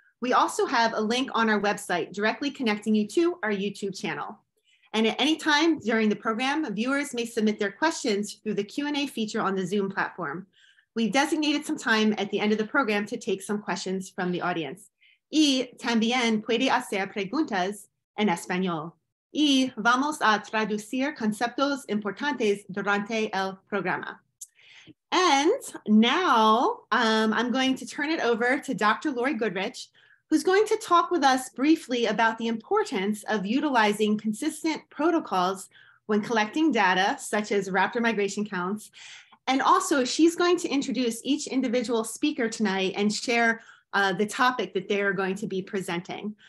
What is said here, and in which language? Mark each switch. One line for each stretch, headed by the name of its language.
English: We also have a link on our website directly connecting you to our YouTube channel. And at any time during the program, viewers may submit their questions through the Q&A feature on the Zoom platform. We've designated some time at the end of the program to take some questions from the audience.
Spanish: Y también puede hacer preguntas en español. Y vamos a traducir conceptos importantes durante el programa.
English: And now I'm going to turn it over to Dr. Laurie Goodrich, who's going to talk with us briefly about the importance of utilizing consistent protocols when collecting data, such as raptor migration counts. And also, she's going to introduce each individual speaker tonight and share the topic that they're going to be presenting.